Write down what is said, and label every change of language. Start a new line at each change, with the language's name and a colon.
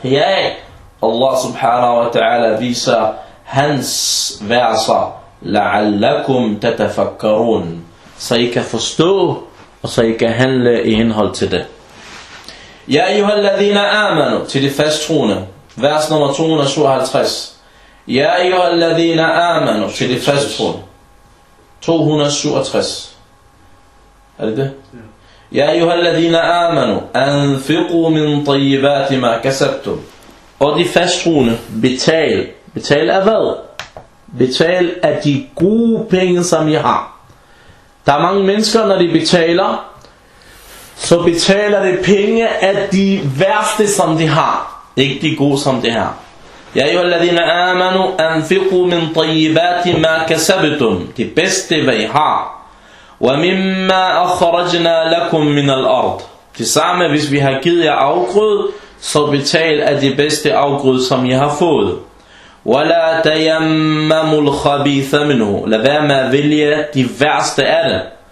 Danish: Ja, Allah subhanahu wa ta'ala viser hans verser,
Arabic: لَعَلَّكُمْ تَتَفَكَّرُونَ,
Danish: så I kan forstå, og så I kan handle i henhold til det.
Arabic: يَا أَيُّهَا الَّذِينَ آمَنُوا,
Danish: til de fasttroende, vers nummer 257.
Arabic: يَا أَيُّهَا الَّذِينَ آمَنُوا,
Danish: til de fasttroende, 267. Er det det?
Arabic: يَا أَيُّهَا الَّذِينَ آمَنُوا أَنْفِقُوا مِنْ طَيِّبَاتِ مَا كَسَبْتُمْ,
Danish: og de fasttroende, betal. Betal af hvad? Betal af de gode penge, som I har. Der er mange mennesker, når de betaler, så betaler de penge af de værste, som de har. Ikke de gode, som de har.
Arabic: يَا أَيُّهَا الَّذِينَ آمَنُوا أَنْفِقُوا مِنْ طَيِّبَاتِ مَا كَسَبْتُمْ,
Danish: de bedste, hvad I har.
Arabic: وَمِمَّا أَخْرَجْنَا لَكُمْ مِنَ الْأَرْضِ,
Danish: det samme, hvis vi har givet jer afgrød, så betal af de bedste afgrød, som I har fået.
Arabic: وَلَا تَيَمَّمُ الْخَبِيثَ مِنْهُ,
Danish: lad være med at vælge de værste af det.